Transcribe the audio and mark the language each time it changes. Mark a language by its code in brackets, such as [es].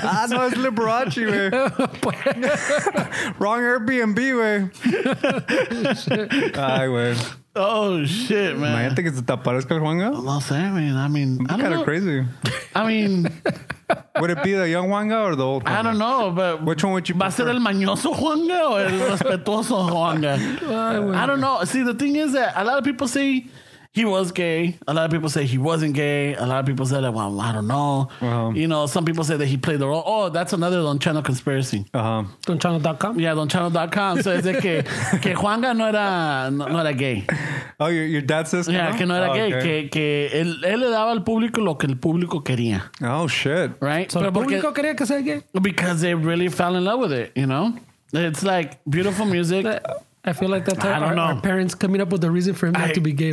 [es] Ah, no, es Liberace, güey. [en] Wrong Airbnb, güey. Ay, güey. Oh shit, man. Man, think it's a taparesca, Juanga? I'm not saying, man. I mean, kind of crazy. I mean, would it be the young Juanga or the old Juanga? I don't know, but which one would you prefer? [es] ¿Va a ser el mañoso Juanga o el respetuoso Juanga? [en] I don't know. See, the thing is that a lot of people say he was gay. A lot of people say he wasn't gay. A lot of people say, like, well, I don't know. Uh-huh. You know, some people say that he played the role. Oh, that's another Don Chano conspiracy. Uh-huh. Donchano.com? Yeah, Donchano.com. So it's like, que Juanga no era gay. Oh, your dad says that? Yeah, que no era gay. Okay. [es] Que él le daba al público lo que el público quería. [en] Oh, shit. Right? [es] So pero el público quería que sea gay? [en] Because they really fell in love with it, you know? It's like beautiful music. I feel like that's how our parents coming up with the reason for him not to be gay.